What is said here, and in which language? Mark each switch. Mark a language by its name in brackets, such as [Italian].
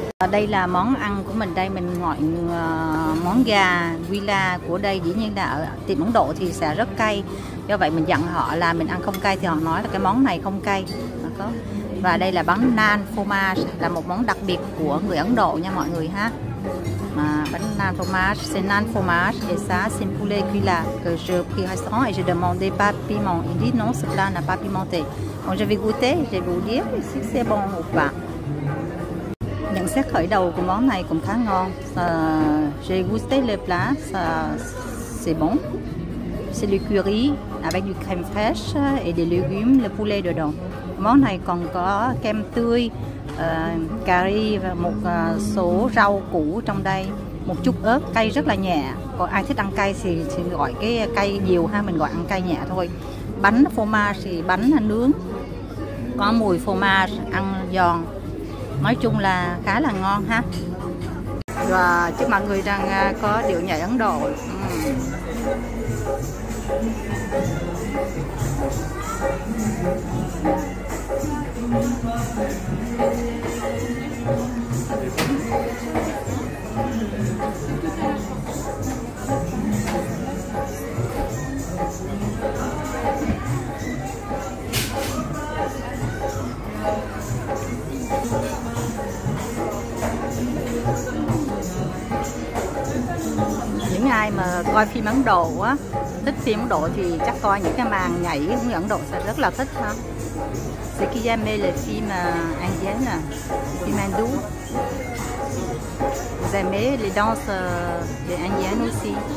[Vietnamese] Đây là món ăn của mình đây, mình gọi món gà Vila của đây. Dĩ nhiên là ở tiệm Ấn Độ thì sẽ rất cay. Do vậy mình dặn họ là mình ăn không cay thì họ nói là cái món này không cay. Và đây là bánh naan phô mai, là một món đặc biệt của người Ấn Độ nha mọi người ha. [French] Bánh naan phô mai, c'est naan phô mai et ça c'est poulet cuila que je pris restaurant et j'ai demandé pas de piment. Il dit non, ce plat n'a pas pimenté. Quand je vais goûter, je vais vous dire si c'est bon ou pas. [Vietnamese] Nhận xét khởi đầu của món này cũng khá ngon. [French] J'ai goûté le plat, ça c'est bon. C'est le curry avec du crème fraîche et des légumes, le poulet dedans. [Vietnamese] Món này còn có kem tươi, cà ri và một số rau củ trong đây, một chút ớt, cay rất là nhẹ. Còn ai thích ăn cay thì gọi cái cay nhiều ha, mình gọi ăn cay nhẹ thôi. Bánh phô mai thì bánh nướng có mùi phô mai ăn giòn, nói chung là khá là ngon ha. Và trước mọi người đang có điệu nhảy Ấn Độ. Những ai mà coi phim Ấn Độ á, thích phim Ấn Độ thì chắc coi những cái màn nhảy của người Ấn Độ sẽ rất là thích ha. [French] C'est qui aime les films indiens, les films hindous. Vous aimez les danses indiennes aussi.